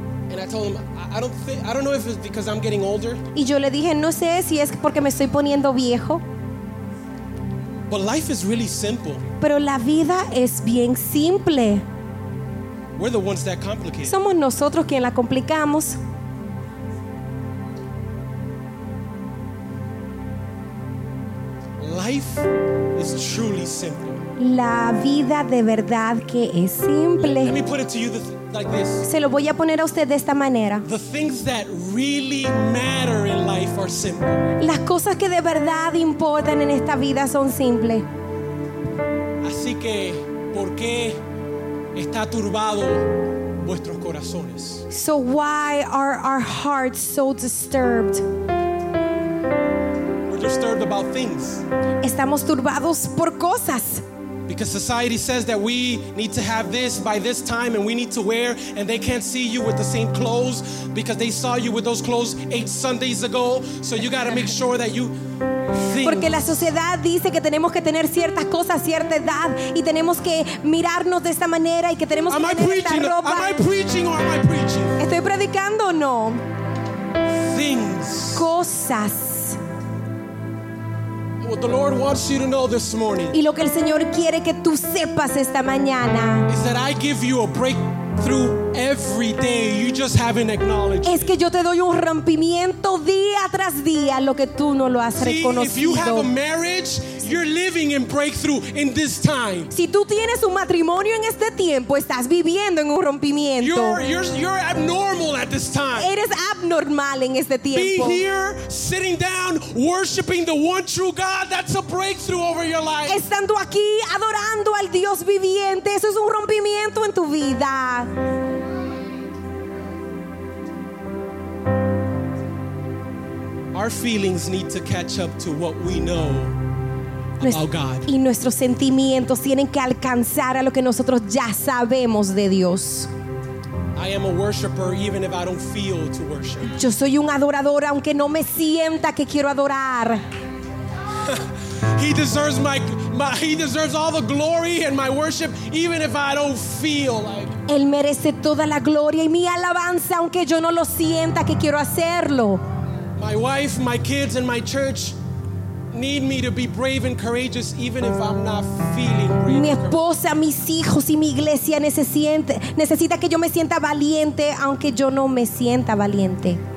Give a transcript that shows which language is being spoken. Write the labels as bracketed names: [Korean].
[English] And I told him, I don't know if it's because I'm getting older. [Spanish] Y yo le dije, no sé si es porque me estoy poniendo viejo. [English] But life is really simple. [Spanish] Pero la vida es bien simple. [English] We're the ones that complicate. [Spanish] Somos nosotros quien la complicamos. [English] Life is truly simple. [Spanish] La vida de verdad que es simple. [English] Let me put it to you like this. [Spanish] Se lo voy a poner a usted de esta manera. [English] The things that really matter in life are simple. [Spanish] Las cosas que de verdad importan en esta vida son simples. Así que, ¿por qué está turbado vuestros corazones? [English] So why are our hearts so disturbed? We're disturbed about things. [Spanish] Estamos turbados por cosas. [English] Because society says that we need to have this by this time and we need to wear, and they can't see you with the same clothes because they saw you with those clothes 8 Sundays ago. So you got to make sure that you think. [Spanish] Porque la sociedad dice que tenemos que tener ciertas cosas a cierta edad y tenemos que mirarnos de esta manera y que tenemos que tener esta ropa. [English] Am I preaching or am I preaching? [Spanish] ¿Estoy predicando o no? [English] Things. [Spanish] Cosas. [English] What the Lord wants you to know this morning, [Spanish] y lo que el Señor quiere que tú sepas esta mañana, [English] is that I give you a breakthrough every day. You just haven't acknowledged. [Spanish] Es que yo te doy un rompimiento día tras día, lo que tú no lo has reconocido. [English] See, if you have a marriage, you're living in breakthrough in this time. [Spanish] Si tú tienes un matrimonio en este tiempo, estás viviendo en un rompimiento. [English] You're abnormal at this time. [Spanish] Eres abnormal en este tiempo. [English] Be here, sitting down, worshiping the one true God, that's a breakthrough over your life. [Spanish] Estando aquí, adorando al Dios viviente, eso es un rompimiento en tu vida. [English] Our feelings need to catch up to what we know. [Spanish] Y nuestros sentimientos tienen que alcanzar a lo que nosotros ya sabemos de Dios. [English] I am a worshiper even if I don't feel to worship. [Spanish] Yo soy un adorador aunque no me sienta que quiero adorar. [English] He deserves he deserves all the glory and my worship even if I don't feel like. [Spanish] Él merece toda la gloria y mi alabanza aunque yo no lo sienta que quiero hacerlo. [English] My wife, my kids and my church need me to be brave and courageous even if I'm not feeling brave. [Spanish] Mi esposa, mis hijos y mi iglesia necesita que yo me sienta valiente aunque yo no me sienta valiente.